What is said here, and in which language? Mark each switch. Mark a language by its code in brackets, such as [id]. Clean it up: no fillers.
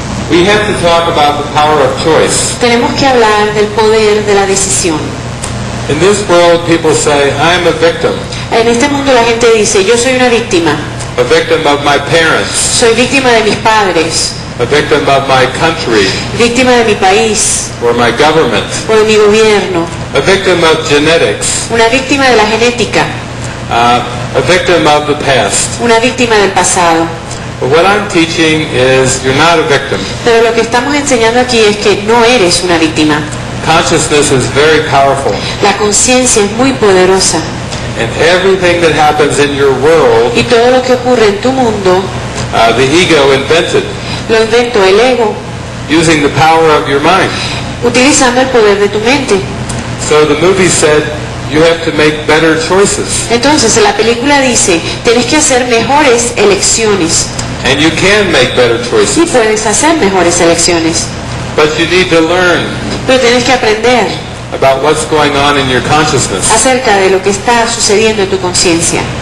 [en] We have to talk about the power of choice. [es] Tenemos que hablar del poder de la decisión. [en] In this world, people say, I am a victim. [es] En este mundo la gente dice, yo soy una víctima. [en] A victim of my parents. [es] Soy víctima de mis padres. [en] A victim of my country. [es] Víctima de mi país. [en] Or my government. [es] O de mi gobierno. [en] A victim of genetics. [es] Una víctima de la genética. [en] A victim of the past. [es] Una víctima del pasado. [en] But what I'm teaching is you're not a victim. [es] Pero lo que estamos enseñando aquí es que no eres una víctima. [en] Consciousness is very powerful. [es] La conciencia es muy poderosa. [en] And everything that happens in your world. [es] Y todo lo que ocurre en tu mundo. [en] The ego invented. [es] Lo invento el ego. [en] Using the power of your mind. [es] Utilizando el poder de tu mente. [en] So the movie said, you have to make better choices. [es] Entonces la película dice, tienes que hacer mejores elecciones. [en] And you can make better choices. [es] Y puedes hacer mejores elecciones. [en] But you need to learn. [es] Pero tienes que aprender. [en] About what's going on in your consciousness. [es] Acerca de lo que está sucediendo en tu conciencia.